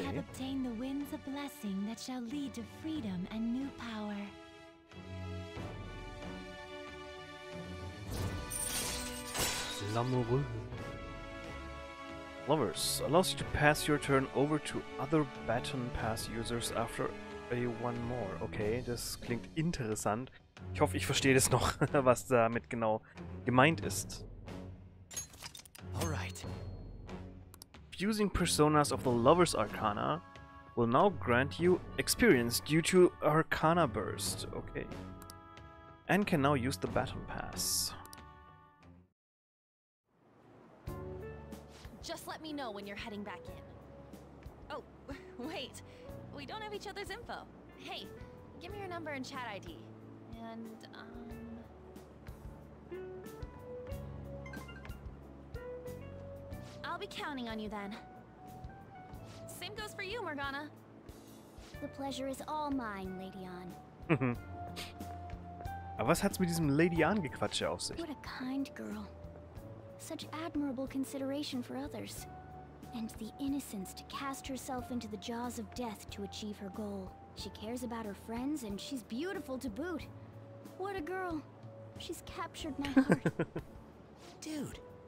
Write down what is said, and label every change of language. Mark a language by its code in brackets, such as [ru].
[en] I have obtained the winds of blessing that shall lead to freedom and new power. [fr] L'amoureux. [en] Lovers allows you to pass your turn over to other baton pass users after a one more. [de] Okay, das klingt interessant. Ich hoffe, ich verstehe das noch, was damit genau gemeint ist. [en] All right. If using personas of the Lover's Arcana will now grant you experience due to Arcana Burst. Okay. And can now use the Baton Pass. Just let me know when you're heading back in. Oh, wait. We don't have each other's info. Hey, give me your number and chat ID. And, I'll be counting on you then. Same goes for you, Morgana. The pleasure is all mine, Lady An. [de] Aber was hat's mit diesem Lady An-Gequatsche auf sich? [en] What a kind girl. Such admirable consideration for others. And the innocence to cast herself into the jaws of death to achieve her goal. She cares about her friends and she's beautiful to boot. What a girl. She's captured my heart. Dude.